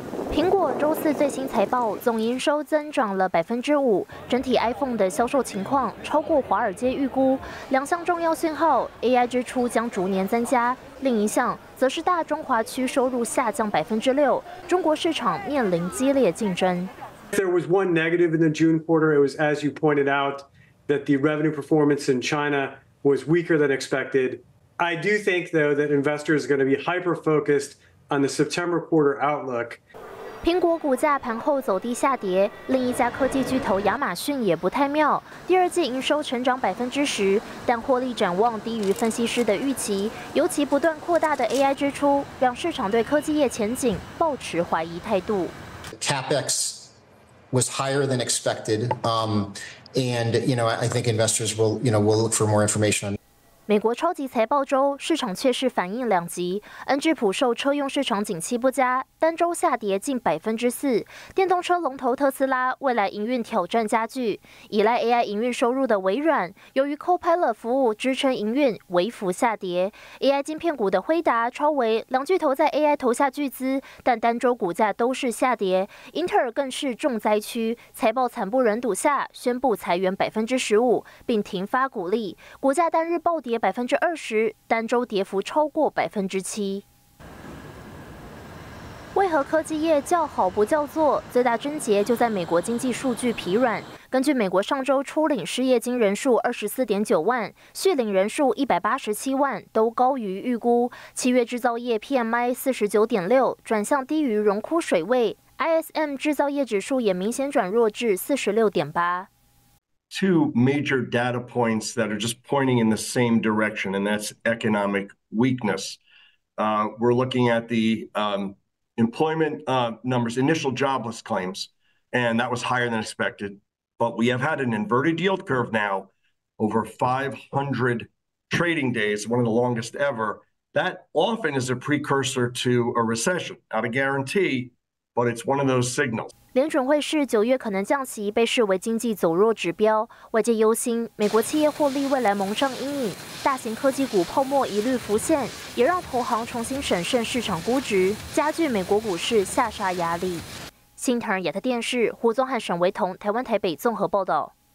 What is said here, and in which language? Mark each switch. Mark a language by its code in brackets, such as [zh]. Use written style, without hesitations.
[zh] 苹果周四最新财报，总营收增长了5%，整体 iPhone 的销售情况超过华尔街预估，两项重要信号 ，AI 支出将逐年增加。另一项则是大中华区收入下降6%，中国市场面临激烈竞争。 [en] If there was one negative in the June quarter, it was as you pointed out that the revenue performance in China was weaker than expected. I do think though that investors are going to be hyper focused on the September quarter outlook. [zh] 苹果股价盘后走低下跌，另一家科技巨头亚马逊也不太妙。第二季营收成长10%，但获利展望低于分析师的预期，尤其不断扩大的 AI 支出，让市场对科技业前景抱持怀疑态度。 [en] CapEx was higher than expected, and you know I think investors will you know will look for more information on. [zh] 美国超级财报周，市场确实反应两极。恩智浦受车用市场景气不佳，单周下跌近4%。电动车龙头特斯拉未来营运挑战加剧，依赖 AI 营运收入的微软，由于 Copilot 服务支撑营运微幅下跌。 AI 晶片股的辉达、超微两巨头在 AI 投下巨资，但单周股价都是下跌。英特尔更是重灾区，财报惨不忍睹下，宣布裁员15%，并停发股利，股价单日暴跌20%，单周跌幅超过7%。为何科技业叫好不叫座？最大症结就在美国经济数据疲软。根据美国上周初领失业金人数24.9万，续领人数187万，都高于预估。七月制造业 PMI 49.6，转向低于荣枯水位。 ISM 制造业指数也明显转弱至46.8。 [en] Two major data points that are just pointing in the same direction, and that's economic weakness. We're looking at the employment numbers, initial jobless claims, and that was higher than expected. But we have had an inverted yield curve now, over 500 trading days, one of the longest ever, that often is a precursor to a recession. Not a guarantee, but it's one of those signals. [zh] 联准会是九月可能降息被视为经济走弱指标，外界忧心美国企业获利未来蒙上阴影，大型科技股泡沫疑虑浮现，也让投行重新审慎市场估值，加剧美国股市下杀压力。新唐亚太电视胡宗汉、沈维彤，台湾台北综合报道。